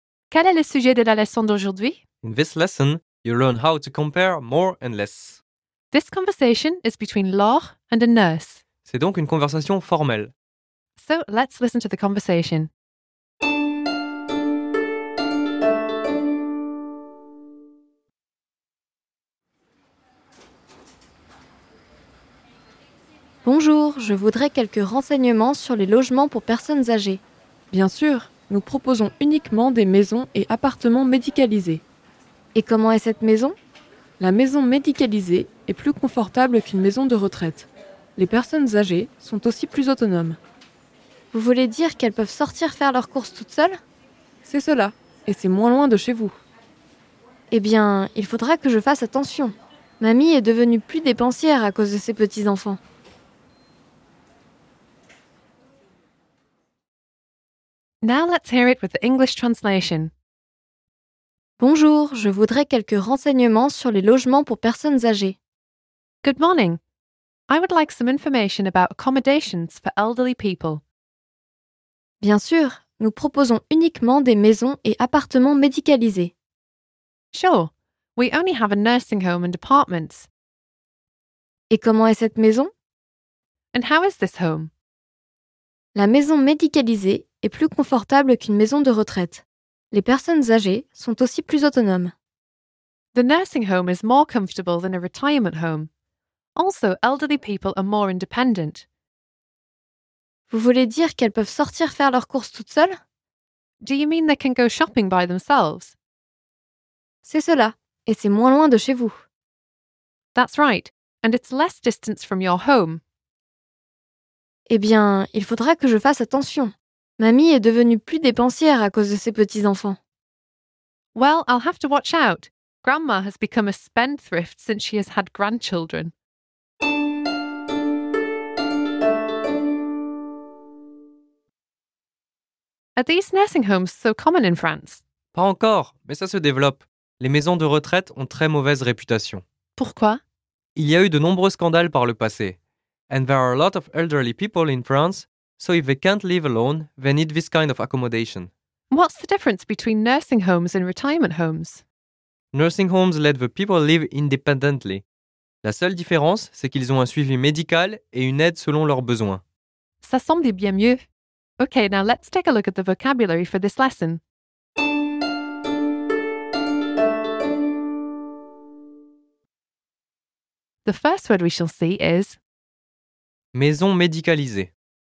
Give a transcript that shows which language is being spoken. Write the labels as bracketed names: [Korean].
[French] Quel est le sujet de la leçon d'aujourd'hui? [English] In this lesson, you learn how to compare more and less. This conversation is between Laure and a nurse. [French] C'est donc une conversation formelle. [English] So, let's listen to the conversation. [French] Bonjour, je voudrais quelques renseignements sur les logements pour personnes âgées. Bien sûr, nous proposons uniquement des maisons et appartements médicalisés. Et comment est cette maison ? La maison médicalisée est plus confortable qu'une maison de retraite. Les personnes âgées sont aussi plus autonomes. Vous voulez dire qu'elles peuvent sortir faire leurs courses toutes seules ? C'est cela, et c'est moins loin de chez vous. Eh bien, il faudra que je fasse attention. Mamie est devenue plus dépensière à cause de ses petits-enfants. [English] Now let's hear it with the English translation. [French] Bonjour, je voudrais quelques renseignements sur les logements pour personnes âgées. [English] Good morning. I would like some information about accommodations for elderly people. [French] Bien sûr, nous proposons uniquement des maisons et appartements médicalisés. [English] Sure, we only have a nursing home and apartments. [French] Et comment est cette maison? [English] And how is this home? [French] La maison médicalisée est plus confortable qu'une maison de retraite. Les personnes âgées sont aussi plus autonomes. [English] The nursing home is more comfortable than a retirement home. Also, elderly people are more independent. [French] Vous voulez dire qu'elles peuvent sortir faire leurs courses toutes seules? [English] Do you mean they can go shopping by themselves? [French] C'est cela, et c'est moins loin de chez vous. [English] That's right, and it's less distance from your home. [French] Eh bien, il faudra que je fasse attention. Mamie est devenue plus dépensière à cause de ses petits-enfants. [English] Well, I'll have to watch out. Grandma has become a spendthrift since she has had grandchildren. Are these nursing homes so common in France? [French] Pas encore, mais ça se développe. Les maisons de retraite ont très mauvaise réputation. Pourquoi? Il y a eu de nombreux scandales par le passé. [English] And there are a lot of elderly people in France. So if they can't live alone, they need this kind of accommodation. What's the difference between nursing homes and retirement homes? Nursing homes let the people live independently. [French] La seule différence, c'est qu'ils ont un suivi médical et une aide selon leurs besoins. Ça semble bien mieux. [English] Okay, now let's take a look at the vocabulary for this lesson. The first word we shall see is [French] maison médicalisée.